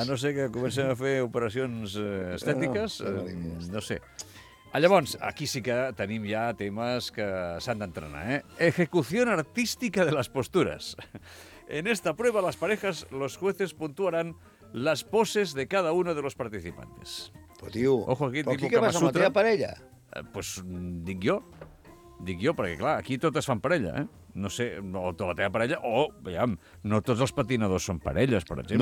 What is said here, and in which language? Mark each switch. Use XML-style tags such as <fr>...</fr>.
<ca>A no ser que comencem a fer operacions estètiques, no, no sé. Llavors, aquí sí que tenim ja temes que s'han d'entrenar, eh?</ca> <es>Ejecución artística de las posturas. En esta prueba, las parejas, los jueces puntuarán las poses de cada uno de los participantes. Pues tío, ojo, aquí,</es> <ca>aquí què passa, la teva parella? Pues dic jo. Dic jo, perquè clar, aquí totes fan parella, eh? No sé, o no, la teva parella, o, veiem, no tots els patinadors són parelles, per exemple.</ca>